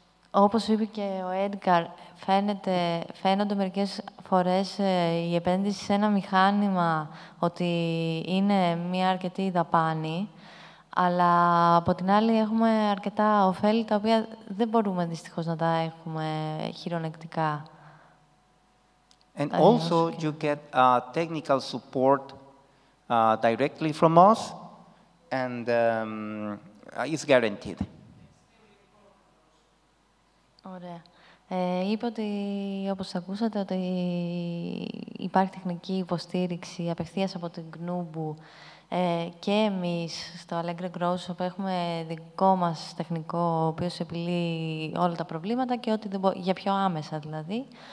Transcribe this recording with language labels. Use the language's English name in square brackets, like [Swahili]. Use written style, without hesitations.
[Greek] Όπως είπε και ο Edgar, φαίνονται μερικές φορές η επένδυση σε ένα μηχάνημα ότι είναι μια αρκετή δαπάνη, αλλά από την άλλη έχουμε αρκετά ωφέλη τα οποία δεν μπορούμε δυστυχώς να τα έχουμε χειρονεκτικά. [English] And also you get technical support directly from us, and it's guaranteed. [Greek] Ωραία. Είπε ότι, όπως ακούσατε, ότι υπάρχει τεχνική υποστήριξη απευθείας από την Gnubu. Και εμείς στο Allegra Grosshop έχουμε δικό μας τεχνικό, ο οποίος επιλύει όλα τα προβλήματα και ό,τι δεν για πιο άμεσα δηλαδή.